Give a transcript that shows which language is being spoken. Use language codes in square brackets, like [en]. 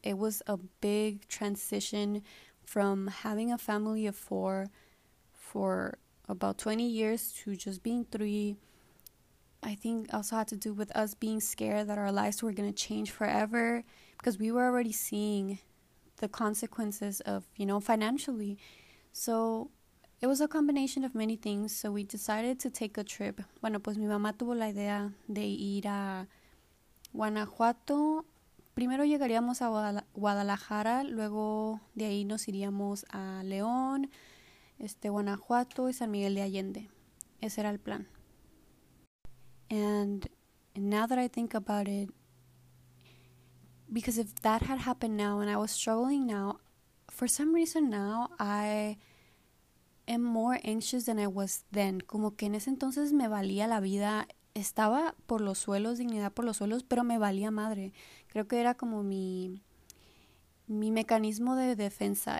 [en] It was a big transition from having a family of four for about 20 years to just being three. I think also had to do with us being scared that our lives were going to change forever, because we were already seeing the consequences of, you know, financially. So it was a combination of many things. So we decided to take a trip. [es] Bueno, pues mi mamá tuvo la idea de ir a Guanajuato. Primero llegaríamos a Guadalajara, luego de ahí nos iríamos a León, Guanajuato y San Miguel de Allende. Ese era el plan. [en] And now that I think about it, because if that had happened now and I was struggling now, for some reason now I am more anxious than I was then. [es] Como que en ese entonces me valía la vida. Estaba por los suelos, dignidad por los suelos, pero me valía madre. Creo que era como mi mecanismo de defensa.